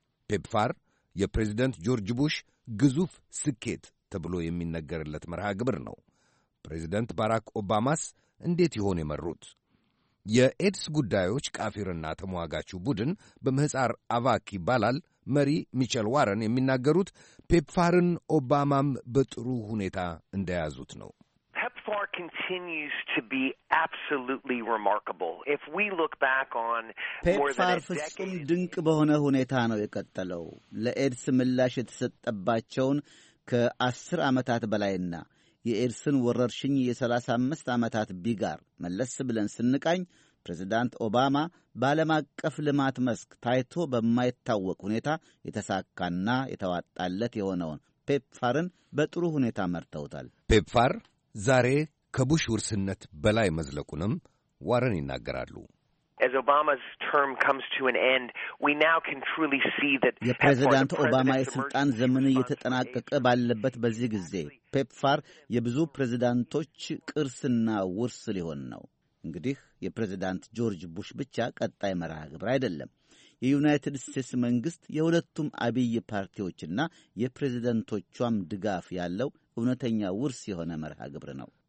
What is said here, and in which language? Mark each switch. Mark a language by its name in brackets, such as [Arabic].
[Amharic] ፔፕፋር የፕሬዚደንት ጆርጅ ቡሽ ግዙፍ ስኬት ተብሎ የሚነገርለት መርሃ ግብር ነው። ፕሬዚደንት ባራክ ኦባማስ እንዴት ይሆን የመሩት? የኤድስ ጉዳዮች ቃፊርና ተሟጋቹ ቡድን በምህፃር አቫክ ይባላል መሪ ሚቸል ዋረን የሚናገሩት ፔፕፋርን ኦባማም በጥሩ ሁኔታ እንደያዙት ነው። [English] PEPFAR continues to be absolutely remarkable. If we look back on [Amharic] PEPFAR ፍጹም ድንቅ በሆነ ሁኔታ ነው የቀጠለው። ለኤድስ ምላሽ የተሰጠባቸውን ከ10 ዓመታት በላይና የኤድስን ወረርሽኝ የ35 ዓመታት ቢጋር መለስ ብለን ስንቃኝ ፕሬዚዳንት ኦባማ በዓለም አቀፍ ልማት መስክ ታይቶ በማይታወቅ ሁኔታ የተሳካና የተዋጣለት የሆነውን ፔፕፋርን በጥሩ ሁኔታ መርተውታል። ፔፕፋር ዛሬ ከቡሽ ውርስነት በላይ መዝለቁንም ዋረን ይናገራሉ። [English] As Obama's term comes to an end, we now can truly see that the President Obama's [Amharic] ስልጣን ዘመን እየተጠናቀቀ ባለበት በዚህ ጊዜ PEPFAR የብዙ ፕሬዝዳንቶች ቅርስና ውርስ ሊሆን ነው። እንግዲህ የፕሬዝዳንት ጆርጅ ቡሽ ብቻ ቀጣይ መርሃ ግብር አይደለም። የዩናይትድ ስቴትስ መንግስት የሁለቱም አብይ ፓርቲዎችና የፕሬዝዳንቶቹም ድጋፍ ያለው እውነተኛ ውርስ የሆነ መርሃ ግብር ነው።